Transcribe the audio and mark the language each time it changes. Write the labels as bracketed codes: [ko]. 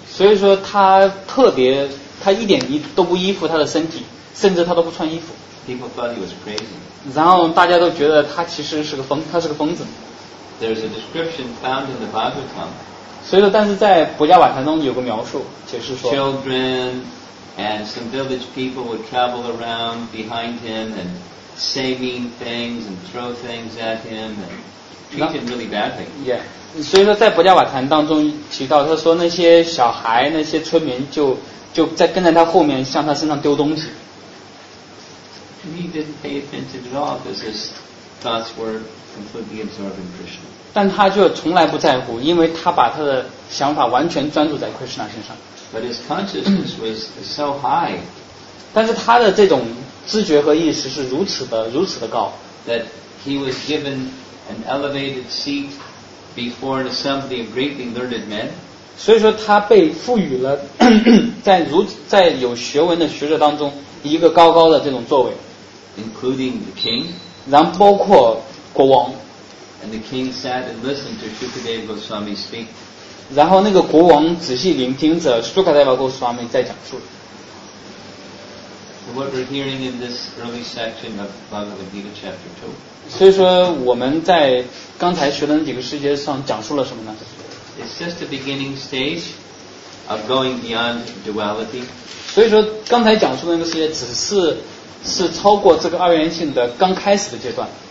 [zh] 所以说他特别，他一点都不依附他的身体，甚至他都不穿衣服。 [en] People thought he was crazy. [zh] 然后大家都觉得他其实是个疯，他是个疯子。 [en] There's a description found in the Bhagavatam. [zh] 所以说，但是在博迦瓦坛中有个描述，解释说。 [en] Children and some village people would travel around behind him and. Say mean things and throw things at him and treat him really badly. Yeah. [zh] 所以说在《博迦瓦坛》当中提到，他说那些小孩、那些村民就在跟在他后面，向他身上丢东西。 [en] He didn't pay attention at all because his thoughts were completely absorbed in Krishna. [zh] 但他就从来不在乎，因为他把他的想法完全专注在 Krishna 身上。 [en] But his consciousness was so high. [zh] 但是他的这种知觉和意识是如此的高 [en] ，that he was given an elevated seat before an assembly of greatly learned men。 [zh] 所以说他被赋予了在有学问的学者当中一个高高的这种座位 [en] ，including the king。 [zh] 然后包括国王 [en] ，and the king sat and listened to Shukadeva Goswami speak。 [zh] 然后那个国王仔细聆听着 Shukadeva Goswami 在讲述。 [en] What we're hearing in this early section of Bhagavad Gita chapter 2. [zh] 所以说我们在刚才学的那几个世界上讲述了什么呢？ [en] It's just the beginning stage of going beyond duality. [zh] 所以说刚才讲述的那个世界只是超过这个二元性的刚开始的阶段。